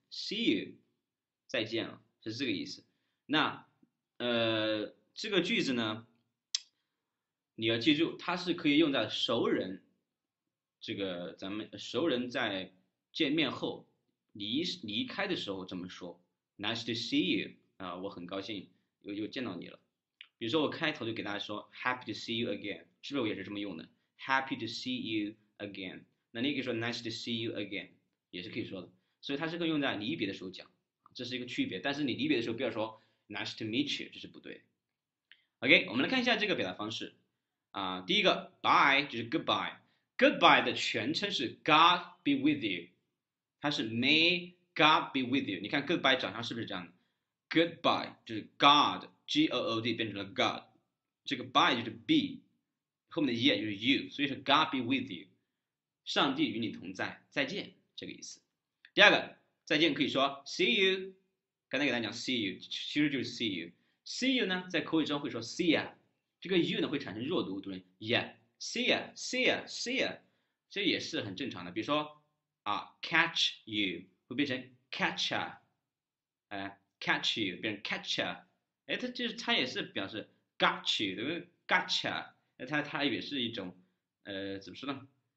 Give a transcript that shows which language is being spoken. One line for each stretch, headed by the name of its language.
Chinese: See you，再见了，是这个意思。那，这个句子呢，你要记住，它是可以用在熟人，这个咱们熟人在见面后，离开的时候怎么说？
English: Nice to see you，
Chinese: 我很高兴又见到你了。比如说我开头就给大家说
English: Happy to see you again，
Chinese: 是不是我也是这么用的？
English: Happy to see you。
Chinese: Again，那你可以说
English: "Nice to see you again"，
Chinese: 也是可以说的。所以它是更用在离别的时候讲，这是一个区别。但是你离别的时候不要说
English: "Nice to meet you"，
Chinese: 这是不对。 OK，我们来看一下这个表达方式。第一个 "bye" 就是 "goodbye"，"goodbye" goodbye 的全称是
English: "God be with you"，
Chinese: 它是
English: "May God be with you"。
Chinese: 你看 "goodbye" 长相是不是这样的？"goodbye" 就是 God，G-O-O-D 变成了 God，这个 "by" 就是 be，后面的 "yeah" 就是 you，所以是
English: "God be with you"。
Chinese: 上帝与你同在，再见，这个意思。第二个，再见可以说 see you，刚才给大家讲 see you，其实就是 see you。 see you 呢，在口语中会说 see ya，这个 you 呢会产生弱读，读成 yeah，see ya，see ya，see ya，这也是很正常的。比如说catch you 会变成 catcher，catch you 变成 catcher，它就是它也是表示 got you，对不对？gotcha，它也是一种怎么说呢？